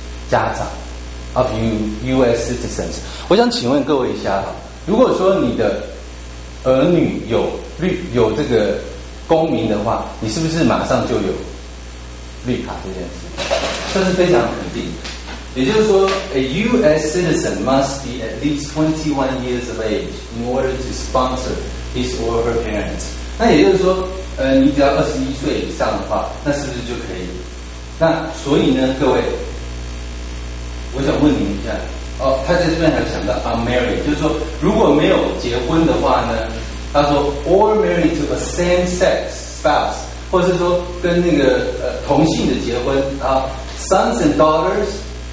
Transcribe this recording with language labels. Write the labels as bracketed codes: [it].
[zh] 家长 [en] of U.S. citizens。 [zh] 我想请问各位一下，如果说你的儿女有这个公民的话，你是不是马上就有绿卡这件事？这是非常肯定的。也就是说 ， [en] a U.S. citizen must be at least 21 years of age in order to sponsor his or her parents。 [zh] 那也就是说，你只要21岁以上的话，那是不是就可以？那所以呢，各位，我想问你一下，哦，他在这边还讲到 [en] unmarried， [zh] 就是说如果没有结婚的话呢，他说 [en] or married to a same-sex spouse， [zh] 或是说跟那个同性的结婚啊 ， [en] sons and daughters。